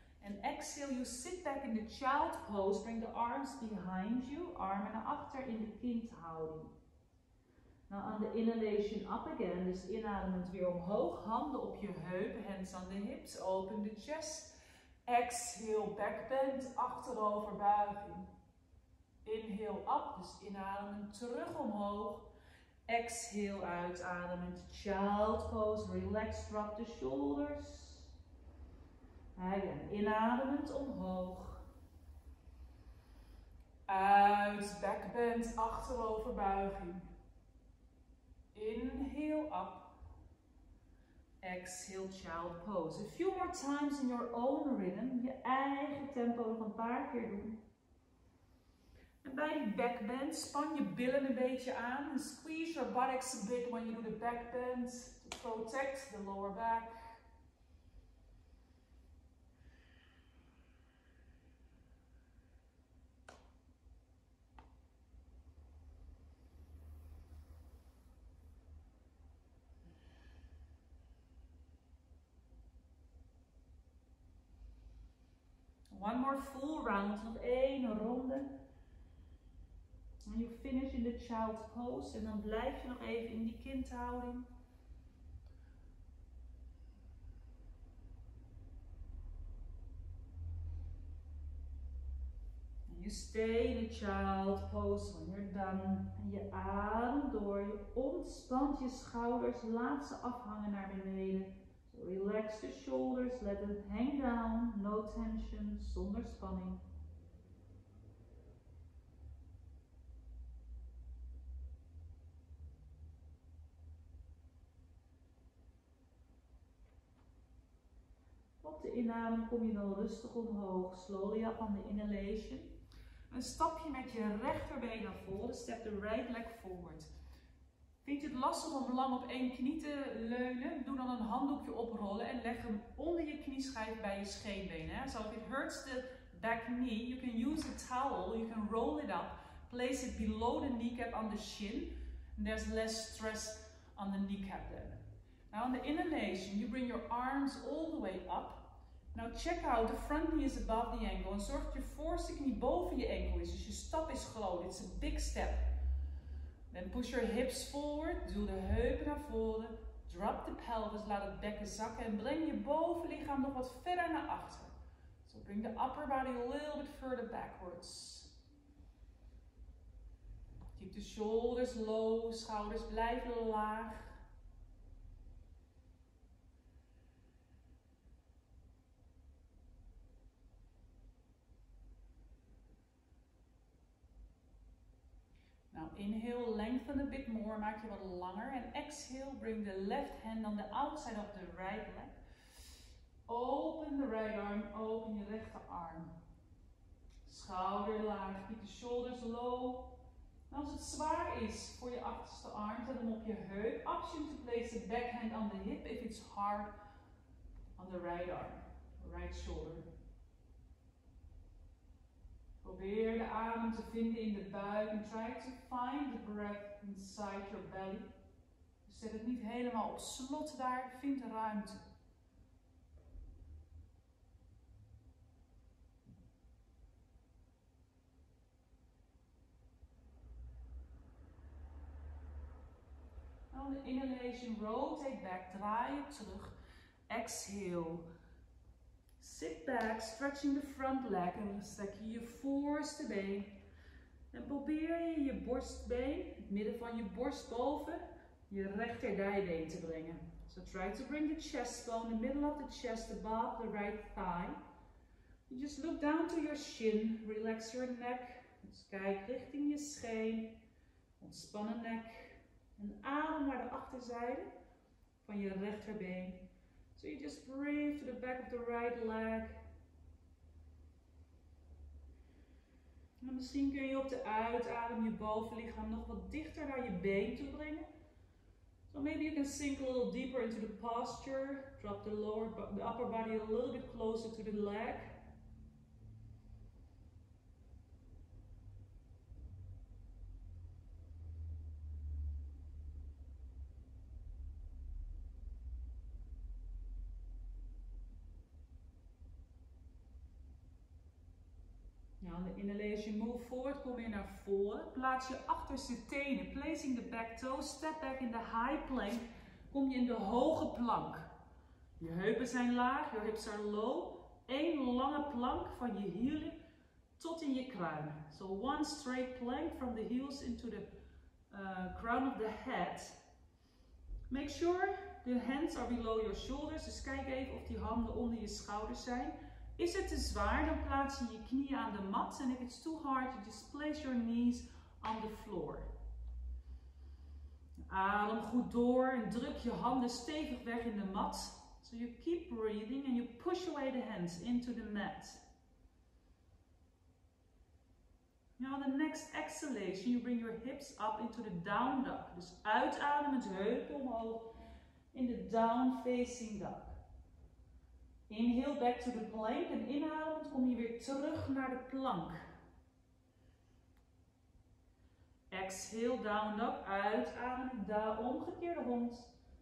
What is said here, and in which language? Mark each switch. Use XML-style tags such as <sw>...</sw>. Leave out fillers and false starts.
<en>And exhale, you sit back in the child pose. Bring the arms behind you.</en> <nl>Armen naar achter in de kindhouding.</nl> <en>Now on the inhalation up again,</en> <nl>dus inademend weer omhoog, handen op je heupen,</nl> <en>hands on the hips, open the chest. Exhale, back bend,</en> <nl>achterover buiging.</nl> <en>Inhale up,</en> <nl>dus inademend terug omhoog.</nl> <en>Exhale,</en> <nl>uitademend,</nl> <en>child pose, relax, drop the shoulders.</en> <nl>Again, inademend omhoog. Uit,</nl> <en>back bend,</en> <nl>achterover buiging.</nl> <en>Inhale up, exhale child pose. A few more times in your own rhythm,</en> <nl>je eigen tempo nog een paar keer doen. En bij die</nl> <en>back bend,</en> <nl>span je billen een beetje aan.</nl> <en>And squeeze your buttocks a bit when you do the back bend to protect the lower back. One more full round,</en> <nl>nog één ronde.</nl> <en>And you finish in the child pose</en> <nl>en dan blijf je nog even in die kindhouding.</nl> <en>And you stay in the child pose when you're done.</en> <nl>En je ademt door, je ontspant je schouders, laat ze afhangen naar beneden.</nl> <en>Relax the shoulders, let them hang down, no tension,</en> <nl>zonder spanning. Op de inademing kom je dan rustig omhoog,</nl> <en>slowly up on the inhalation.</en> <nl>Een stapje met je rechterbeen naar voren,</nl> <en>step the right leg forward.</en> <nl>Vind je het lastig om lang op één knie te leunen? Doe dan een handdoekje oprollen en leg hem onder je knieschijf bij je scheenbeen.</nl> <en>So if it hurts the back knee, you can use a towel, you can roll it up. Place it below the kneecap on the shin. And there's less stress on the kneecap then. Now on the inhalation, you bring your arms all the way up. Now check out, the front knee is above the ankle.</en> <nl>En zorg dat je voorste knie boven je enkel is. Dus je stap is groot.</nl> <en>It's a big step. Then push your hips forward,</en> <nl>duw de heupen naar voren,</nl> <en>drop the pelvis,</en> <nl>laat het bekken zakken en breng je bovenlichaam nog wat verder naar achter.</nl> <en>So bring the upper body a little bit further backwards. Keep the shoulders low,</en> <nl>schouders blijven laag.</nl> <en>Inhale, lengthen a bit more,</en> <nl>maak je wat langer.</nl> <en>And exhale, bring the left hand on the outside of the right leg. Open the right arm,</en> <nl>open je rechterarm. Schouder laag,</nl> <en>keep the shoulders low.</en> <nl>En als het zwaar is voor je achterste arm, zet hem op je heup.</nl> <en>Option to place the back hand on the hip if it's hard on the right arm, right shoulder.</en> <nl>Probeer de adem te vinden in de buik en</nl> <en>try to find the breath inside your belly.</en> <nl>Zet het niet helemaal op slot daar, vind de ruimte.</nl> <en>Now the inhalation, rotate back,</en> <nl>draai je terug,</nl> <en>exhale. Sit back, stretching the front leg</en> <nl>en strek je je voorste been. En probeer je je borstbeen, het midden van je borst boven, je rechter dijbeen te brengen.</nl> <en>So try to bring the chest bone, the middle of the chest above the right thigh. You just look down to your shin, relax your neck.</en> <nl>Dus kijk richting je scheen, ontspannen nek, En adem naar de achterzijde van je rechterbeen.</nl> <en>So you just breathe to the back of the right leg. En misschien kun je op de uitadem je bovenlichaam nog wat dichter naar je been toe brengen. So maybe you can sink a little deeper into the posture. Drop the lower, the upper body a little bit closer to the leg. As you move forward,</en> <nl>kom weer naar voren. Plaats je achterste tenen.</nl> <en>Placing the back toes. Step back in the high plank.</en> <nl>Kom je in de hoge plank. Je heupen zijn laag. Je</nl> <en>hips are low.</en> <nl>Eén lange plank van je hielen tot in je kruin.</nl> <en>So one straight plank from the heels into the crown of the head. Make sure the hands are below your shoulders.</en> <nl>Dus kijk even of die handen onder je schouders zijn. Is het te zwaar, dan plaats je je knieën aan de mat.</nl> <en>En if it's too hard, you just place your knees on the floor.</en> <nl>Adem goed door en druk je handen stevig weg in de mat.</nl> <en>So you keep breathing and you push away the hands into the mat. Now the next exhalation, you bring your hips up into the down dog.</en> <nl>Dus uitadem het heupen omhoog in de down facing dog.</nl> <en>Inhale back to the plank</en> <nl>en inademend kom je weer terug naar de plank.</nl> <en>Exhale, down dog,</en> <nl>uitademen, daar omgekeerde hond.</nl>